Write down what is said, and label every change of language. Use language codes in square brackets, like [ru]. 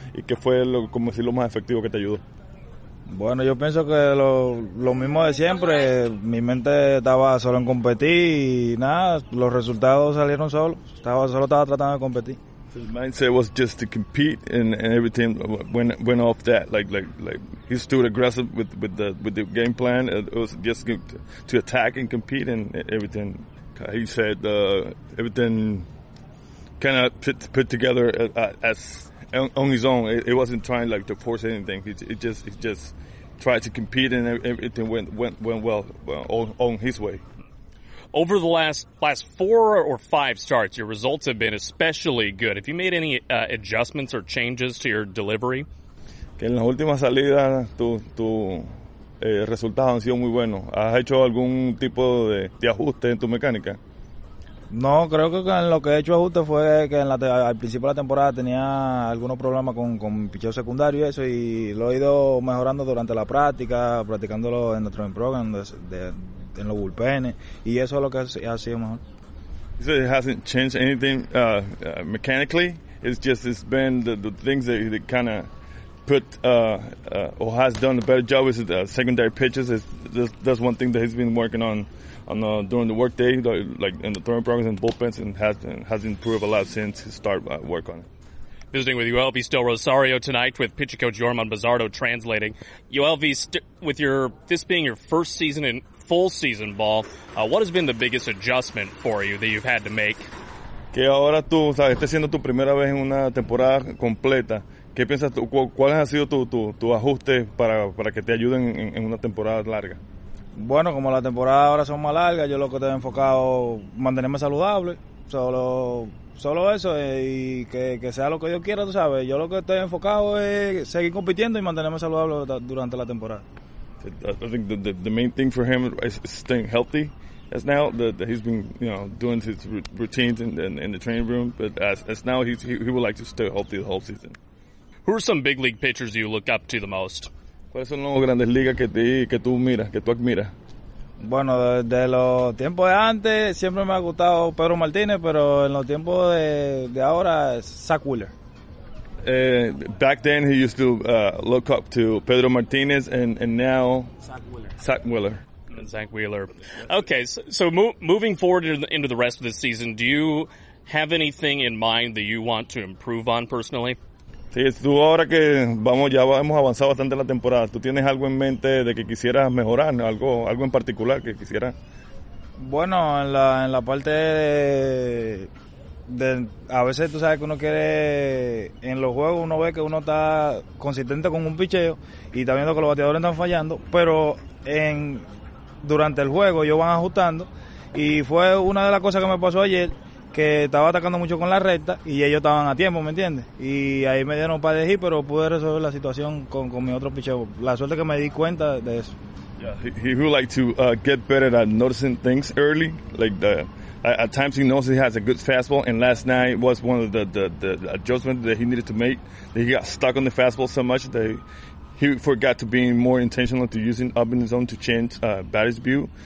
[es] ¿Y qué fue lo más efectivo que te ayudó? Bueno, yo pienso que lo mismo de siempre. Mi mente estaba solo en competir y nada, los resultados salieron solo. Solo estaba tratando de competir. [en] So his mindset was just to compete, and everything went off that. Like he stood aggressive with the game plan. It was just to attack and compete, and everything. He said everything kind of put together as on his own. It wasn't trying like to force anything. He just tried to compete, and everything went well on his way. Over the last four or five starts, your results have been especially good. Have you made any adjustments or changes to your delivery? [es] Que en las últimas salidas tus resultados han sido muy buenos. ¿Has hecho algún tipo de ajuste en tu mecánica? No, creo que en lo que he hecho ajuste fue que al principio de la temporada tenía algunos problemas con mi picheo secundario y eso, y lo he ido mejorando durante la práctica, practicándolo en nuestro program en los bullpenes, y eso es lo que ha sido mejor. [en] He said it hasn't changed anything mechanically. It's been the things that he kind of put or has done a better job with the secondary pitches. That's one thing that he's been working on during the workday, like in the throwing progress and bullpens, and has improved a lot since he started work on it. Visiting with Yoelvis Del Rosario tonight with pitcher coach Yorman Bazzardo translating. Yoelvis, with this being your first season in full season ball, what has been the biggest adjustment for you that you've had to make? [es] Que ahora tú, o sea, estás siendo tu primera vez en una temporada completa. ¿Qué piensas tú? ¿Cuáles han sido tu ajustes para que te ayuden en una temporada larga? Bueno, como la temporada ahora son más largas, yo lo que te he enfocado es mantenerme saludable. Solo eso, y que sea lo que Dios quiera, tú sabes. Yo lo que estoy enfocado es seguir compitiendo y mantenerme saludable durante la temporada. [en] I think the main thing for him is staying healthy. As now, that he's been, you know, doing his routines in the training room, but as now, he would like to stay healthy the whole season. Who are some big league pitchers you look up to the most? [es] ¿Cuáles son las grandes ligas que tú admiras? Bueno, de los tiempos de antes, siempre me ha gustado Pedro Martínez, pero en los tiempos de ahora, Zach Wheeler. [en] Back then, he used to look up to Pedro Martínez, and now... Zach Wheeler. Okay, so moving forward into the rest of the season, do you have anything in mind that you want to improve on personally? [es] Sí, tú ahora que hemos avanzado bastante en la temporada, ¿tú tienes algo en mente de que quisieras mejorar, algo en particular que quisieras? Bueno, en la parte de a veces tú sabes que uno quiere, en los juegos uno ve que uno está consistente con un picheo y está viendo que los bateadores están fallando, pero durante el juego ellos van ajustando, y fue una de las cosas que me pasó ayer, que estaba atacando mucho con la recta y ellos estaban a tiempo, ¿me entiendes? Y ahí me dieron para elegir, pero pude resolver la situación con mi otro picheo. La suerte que me di cuenta de eso. [en] Yeah, he would like to get better at noticing things early, like the at times he knows he has a good fastball, and last night was one of the adjustments that he needed to make. He got stuck on the fastball so much that he forgot to be more intentional to using up in the zone to change batter's view.